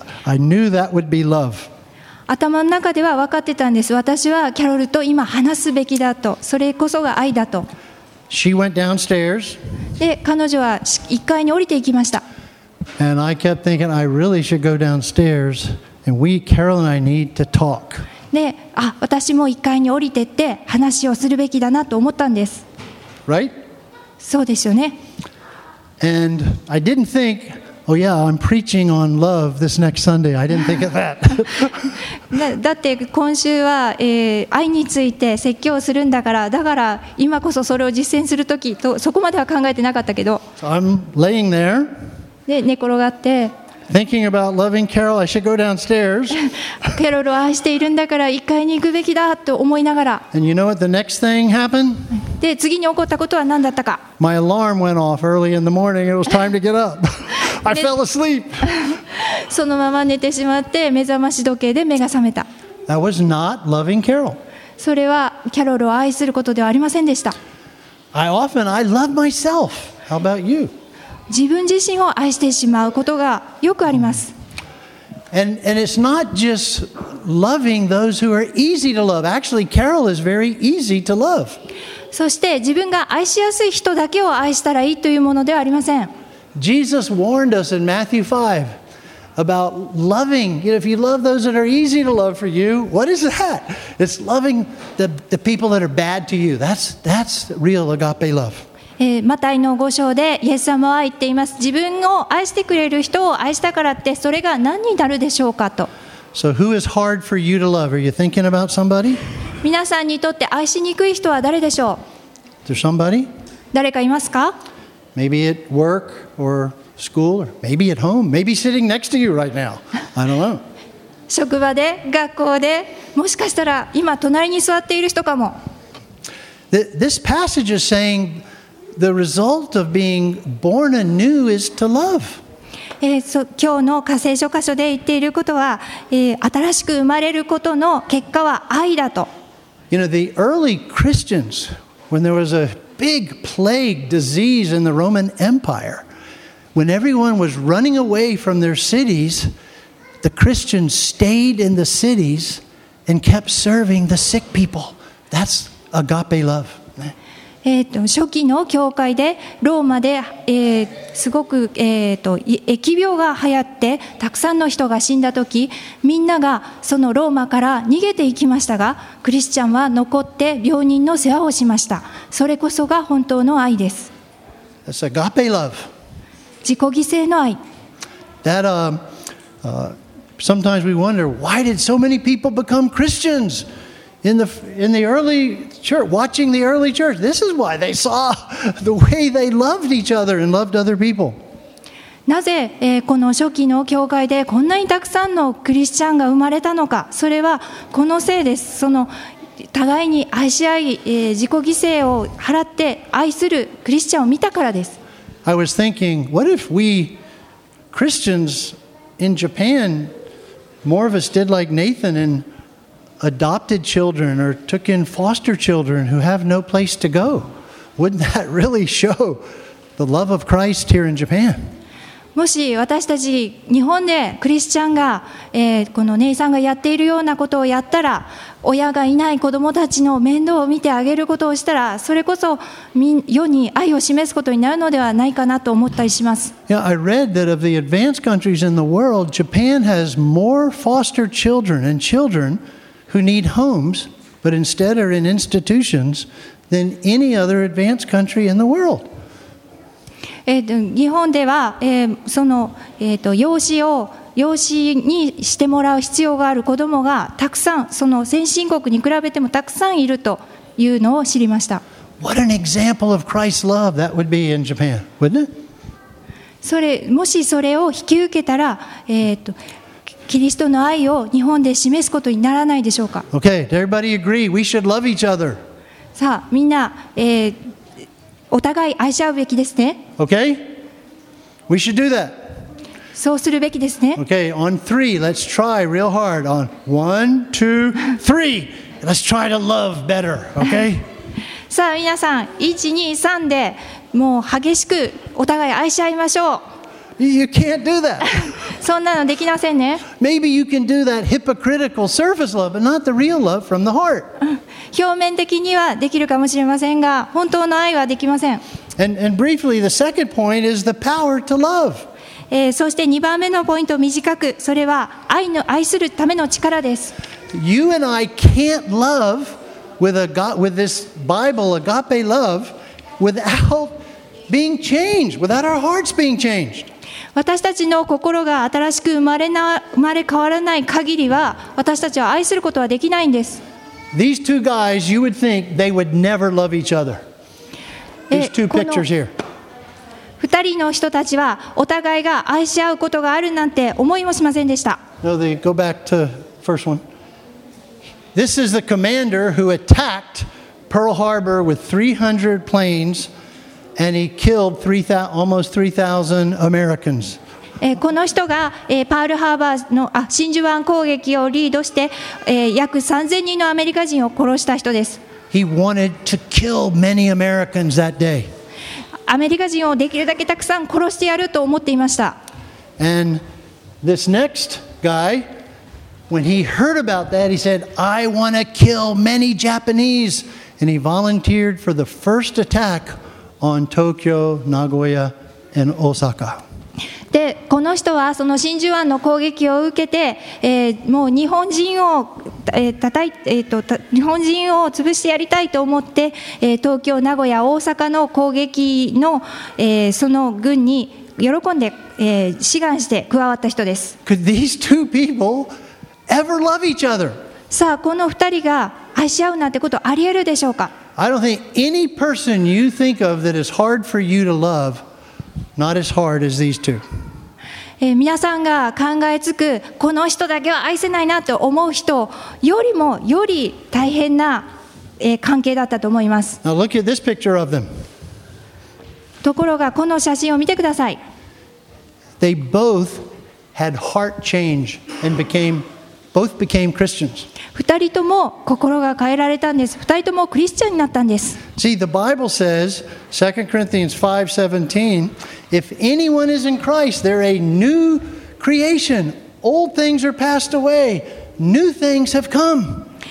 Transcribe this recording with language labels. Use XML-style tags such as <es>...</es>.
<en>I knew that would be love.</en> <ja>頭の中では分かってたんです。私はキャロルと今話すべきだと。それこそが愛だと。</ja> <en>She went downstairs.</en> <ja>で、彼女は1階に降りていきました。</ja> <en>And I kept thinking I really should go downstairs and we, Carol and I, need to talk.</en> <ja>で、あ、私も1階に降りてって話をするべきだなと思ったんです。</ja> <en>Right?</en> <ja>そうですよね。</ja> <en>And I didn't think, oh yeah, I'm preaching on love this next Sunday. I didn't think of that.</en> <ja>だって今週は、愛について説教するんだから、だから今こそそれを実践するときと、そこまでは考えてなかったけど。</ja> <en>So I'm laying there.</en> <ja>で、寝転がって。</ja> <en>Thinking about loving Carol, I should go downstairs.</en> <ja>キャロルを愛しているんだから1階に行くべきだと思いながら。</ja> <en>And you know what the next thing happened?</en> <ja>で、次に起こったことは何だったか。</ja> <en>My alarm went off early in the morning. It was time to get up. I fell asleep.</en> <ja>そのまま寝てしまって目覚まし時計で目が覚めた。</ja> <en>That was not loving Carol.</en> <ja>それはキャロルを愛することではありませんでした。</ja> <en>I love myself. How about you?</en> <ja>自分自身を愛してしまうことがよくあります。</ja> <en>And it's not just loving those who are easy to love. Actually, Carol is very easy to love.</en> <ja>そして自分が愛しやすい人だけを愛したらいいというものではありません。</ja> <en>Jesus warned us in Matthew 5 about loving. You know, if you love those that are easy to love for you, what is that? It's loving the people that are bad to you. That's real agape love.</en> <ja>マタイの5章でイエス様は言っています。自分を愛してくれる人を愛したからってそれが何になるでしょうかと。</ja> <en>So who is hard for you to love? Are you thinking about somebody?</en> <ja>皆さんにとって愛しにくい人は誰でしょう?</ja> <en>Is there somebody?</en> <ja>誰かいますか?</ja> <en>Maybe at work or school or maybe at home. Maybe sitting next to you right now. I don't know.</en> <ja>職場で、学校で、もしかしたら今隣に座っている人かも。</ja> <en>This passage is sayingThe result of being born anew is to love.</en> <ja>今日の箇聖書箇所で言っていることは、新しく生まれることの結果は愛だと。</ja> <en>You know, the early Christians, when there was a big plague disease in the Roman Empire, when everyone was running away from their cities, the Christians stayed in the cities and kept serving the sick people. That's agape love.</en> <ja>初期の教会でローマで、すごく、疫病が流行ってたくさんの人が死んだ時みんながそのローマから逃げていきましたがクリスチャンは残って病人の世話をしましたそれこそが本当の愛です</ja> <en>That's agape love.</en> <ja>自己犠牲の愛</ja> <en>That, sometimes we wonder why did so many people become Christians? In the early church, watching the early church, this is why they saw the way they loved each other and loved other people.</en> <ja>なぜ、この初期の教会でこんなにたくさんのクリスチャンが生まれたのか、それはこのせいです。その互いに愛し合い、自己犠牲を払って愛するクリスチャンを見たからです。</ja> <en>I was thinking, what if we Christians in Japan, more of us did like Nathan and adopted children or took in foster children who have no place to go. Wouldn't that really show the love of Christ here in Japan?</en> <ja>もし私たち日本でクリスチャンが、このネイさんがやっているようなことをやったら親がいない子どもたちの面倒を見てあげることをしたらそれこそ世に愛を示すことになるのではないかなと思ったりします</ja> <en>Yeah, I read that of the advanced countries in the world Japan has more foster children and childrenwho need homes, but instead are in institutions than any other advanced country in the world.</en> <ja>日本では、その、養子にしてもらう必要がある子どもがたくさん、その先進国に比べてもたくさんいるというのを知りました。</ja> <en>What an example of Christ's love that would be in Japan, wouldn't it?</en> <ja>それもしそれを引き受けたら、キリストの愛を日本で示すことにならないでしょうか。</ja> <en>Okay, does everybody agree? We should love each other.</en> <ja>さあ、みんな、お互い愛し合うべきですね。</ja> <en>Okay, we should do that.</en> <ja>そうするべきですね。</ja> <en>Okay, on three, let's try real hard. On one, two, three, let's try to love better. Okay.</en> <ja>さあ、皆さん、一、二、三で。もう激しくお互い愛し合いましょう。</ja> <en>You can't do that.</en> <ja>そんなのできませんね。</ja> <en>Maybe you can do that hypocritical surface love, but not the real love from the heart.</en> <ja>表面的にはできるかもしれませんが、本当の愛はできません。</ja> <en>And briefly, the second point is the power to love.</en> <ja>そして2番目のポイント短く、それは愛するための力です。</ja> <en>You and I can't love with this Bible agape love. Without being changed, without our hearts being changed.</en> <ja>私たちの心が新しく生まれ変わらない限りは、私たちは愛することはできないんです。</ja> <en>These two guys, you would think they would never love each other. These two pictures here.</en> <ja>二人の人たちはお互いが愛し合うことがあるなんて思いもしませんでした。</ja> <en>No, they go back to first one. This is the commander who attacked. Pearl Harbor with 300 planes and he killed almost 3,000 Americans.</en> <ja>この人が、パールハーバーの、あ、真珠湾攻撃をリードして、約3000人のアメリカ人を殺した人です。</ja> <en>He wanted to kill many Americans that day.</en> <ja>アメリカ人をできるだけたくさん殺してやると思っていました。</ja> <en>And this next guy, when he heard about that, he said, I want to kill many Japanese. And he volunteered for the first attack on Tokyo, Nagoya, and Osaka.</en> <ja>で、この人はその真珠湾の攻撃を受けて、もう日本人を、日本人を潰してやりたいと思って、東京、名古屋、大阪の攻撃の、その軍に喜んで、志願して加わった人です。</ja> <en>Could these two people ever love each other?</en> <ja>さあ、この二人が愛し合うなんてことありえるでしょうか。</ja> <en>I don't think any person you think of that is hard for you to love, not as hard as these two.</en> <ja>皆さんが考えつくこの人だけは愛せないなと思う人よりもより大変な、関係だったと思います。</ja> <en>Now look at this picture of them.</en> <ja>ところがこの写真を見てください。</ja> <en>They both had heart change and became Christians.</en> <ja>二人とも心が変えられたんです。二人ともクリスチャンになったんです。</ja> <en>See, the Bible says, 2 Corinthians 5:17, if anyone is in Christ, they're a new creation. Old things are passed away. New things have come.</en>